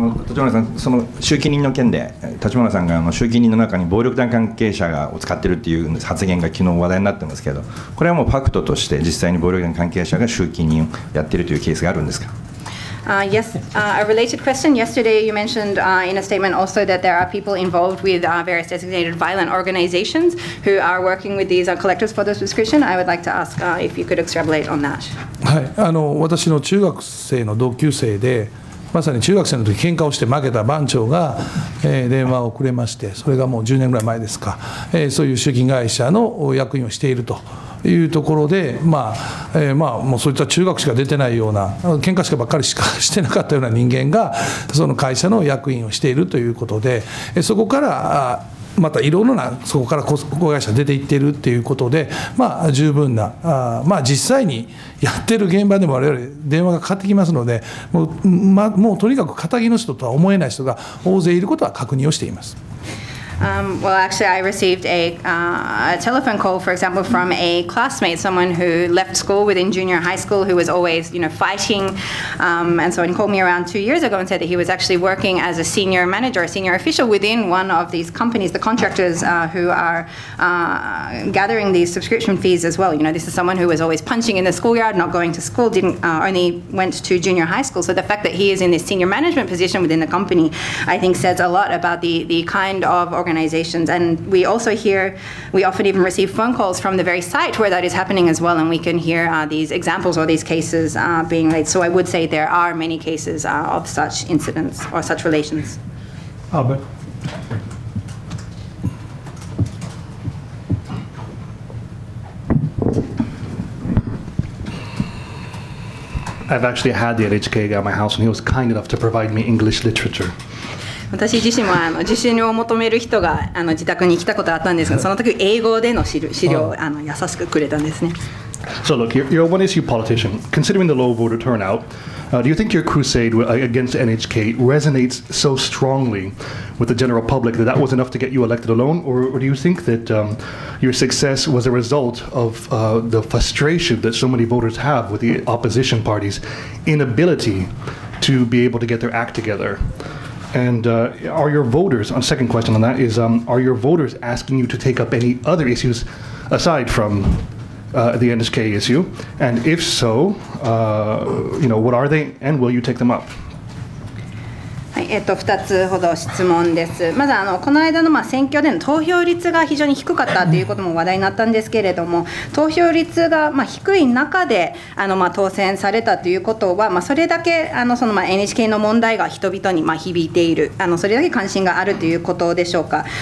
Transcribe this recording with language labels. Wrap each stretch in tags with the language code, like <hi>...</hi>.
<ja>立花さん、その集金人の件で、立花さんが集金人の中に暴力団関係者を使っているという発言が昨日話題になってますけど、これはもうファクトとして実際に暴力団関係者が集金人をやっているというケースがあるんですか？</ja> <en>A related question. Yesterday you mentioned in a statement also that there are people involved with various designated violent organizations who are working with these collectors for the subscription. I would like to ask if you could extrapolate on that.</en> <ja>はい、私の中学生の同級生で、まさに中学生の時喧嘩をして負けた番長が、電話をくれまして、それがもう10年ぐらい前ですか、そういう集金会社の役員をしているというところで、もうそういった中学しか出てないような喧嘩しかばっかりしかしてなかったような人間がその会社の役員をしているということで、そこからまたいろいろなそこから子会社出ていってるっていうことで、まあ十分な、あ、まあ実際にやってる現場でも我々電話がかかってきますので、もう、ま、もうとにかく肩着の人とは思えない人が大勢いることは確認をしています。</ja> <en>Well, actually, I received a telephone call, for example, from a classmate, someone who left school within junior high school, who was always, you know, fighting, and so on. He called me around 2 years ago and said that he was actually working as a senior manager, a senior official within one of these companies, the contractors who are gathering these subscription fees as well. You know, this is someone who was always punching in the schoolyard, not going to school, didn't only went to junior high school. So the fact that he is in this senior management position within the company, I think, says a lot about the kind of organizations. And we also hear, we often even receive phone calls from the very site where that is happening as well, and we can hear these examples or these cases being laid. So I would say there are many cases of such incidents or such relations. Albert. I've actually had the LHK guy at my house, and he was kind enough to provide me English literature.</en> <ja>私自身も受診を求める人が自宅に来たことがあったんですが、その時英語での資料を優しくくれたんですね。</ja> <en>So look, you're a one issue politician. Considering the low voter turnout, do you think your crusade against NHK resonates so strongly with the general public that that was enough to get you elected alone? Or do you think that your success was a result of the frustration that so many voters have with the opposition party's inability to be able to get their act together? And are your voters, a second question on that is, are your voters asking you to take up any other issues aside from the NHK issue? And if so, you know, what are they and will you take them up?</en> <ja>2つほど質問です。まずこの間の選挙での投票率が非常に低かったということも話題になったんですけれども、投票率が低い中で当選されたということは、それだけその NHK の問題が人々に響いている、それだけ関心があるということでしょうか。</ja>